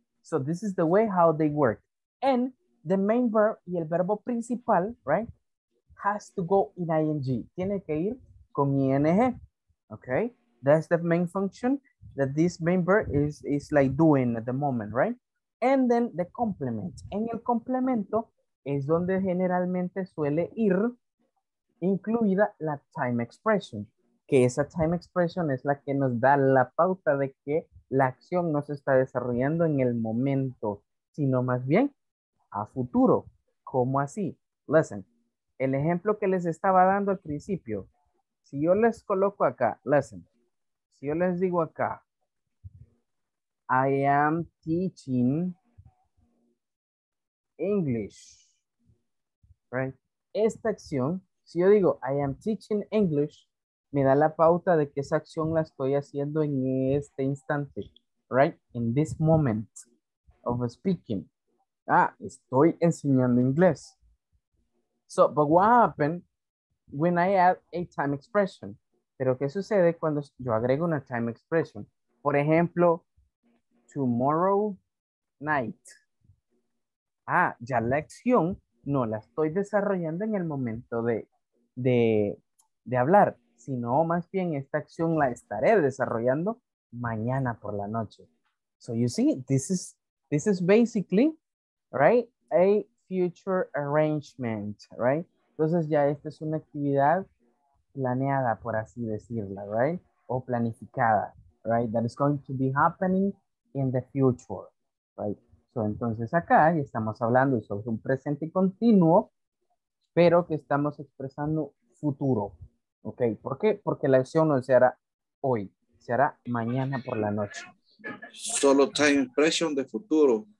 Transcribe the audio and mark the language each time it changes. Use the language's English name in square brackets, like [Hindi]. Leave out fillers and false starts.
[English] So this is the way how they work. And the main verb [Spanish] y el verbo principal, [English] right, has to go in ing. [Spanish] Tiene que ir con ing, [English] okay? That's the main function that this main verb is like doing at the moment, right? And then the complement. [Spanish] En el complemento es donde generalmente suele ir incluida la time expression. Que esa time expression es la que nos da la pauta de que la acción no se está desarrollando en el momento, sino más bien a futuro. ¿Cómo así? Listen, el ejemplo que les estaba dando al principio, si yo les coloco acá, listen, si yo les digo acá, [English] I am teaching English, [Spanish] right? Esta acción, si yo digo [English] I am teaching English, [Spanish] me da la pauta de que esa acción la estoy haciendo en este instante, right? [English] In this moment of speaking. Ah, [Spanish] estoy enseñando inglés. [English] So, but what happened when I add a time expression? [Spanish] Pero ¿qué sucede cuando yo agrego una time expression? Por ejemplo, [English] tomorrow night. [Spanish] Ah, ya la acción no la estoy desarrollando en el momento de hablar. Sino más bien esta acción la estaré desarrollando mañana por la noche. [English] So you see, this is basically, right, a future arrangement, right? [Spanish] Entonces ya esta es una actividad planeada, por así decirla, right? O planificada, right? [English] That is going to be happening in the future, right? [Spanish] So, entonces acá ya estamos hablando sobre un presente continuo, pero que estamos expresando futuro, ¿ok? ¿Por qué? Porque la acción no se hará hoy, se hará mañana por la noche. Solo time expression de futuro.